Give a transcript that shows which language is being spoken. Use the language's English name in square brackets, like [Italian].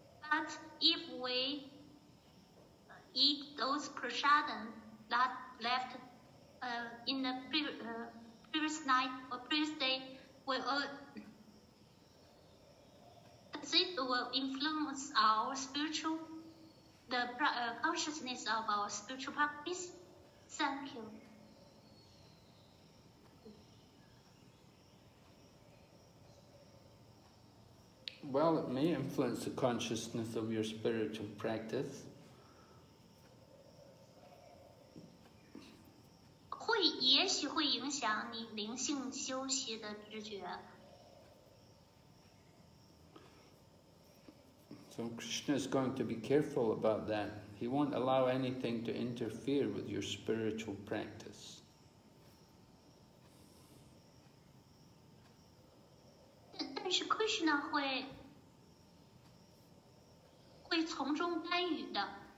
[English] But if we eat those prasadam that left in the previous night or previous day, will influence our spiritual consciousness of our spiritual practice? Thank you. Well, it may influence the consciousness of your spiritual practice. [Chinese] 会，也许会影响你灵性休息的知觉。 [English] So Krishna is going to be careful about that. He won't allow anything to interfere with your spiritual practice. But [Chinese] 是 Krishna 会从中干预的。